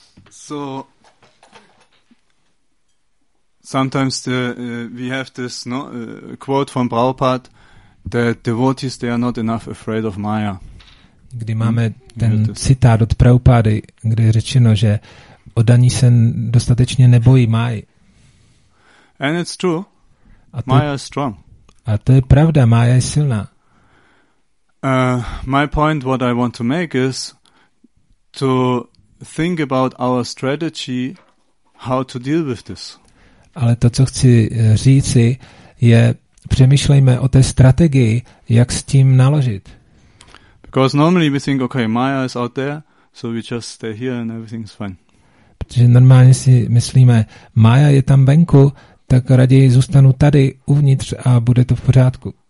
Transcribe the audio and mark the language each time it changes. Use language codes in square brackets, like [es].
[en] So sometimes we have this quote from Prabhupada that devotees they are not enough afraid of Maya. [cs] Kdy máme ten citát od Prabhupády, kde je řečeno, že oddaní se dostatečně nebojí Máji. [en] And it's true. Maya is strong. [cs] A to je pravda, Maya je silná. [en] My point what I want to make is to think about our strategy how to deal with this. [cs] Ale to, co chci říci, je přemýšlejme o té strategii, jak s tím naložit. [en] Because normally we think, okay, Maya is out there, so we just stay here and everything's fine. [cs] Protože normálně si myslíme, Maya je tam venku, tak raději zůstanu tady uvnitř a bude to v pořádku.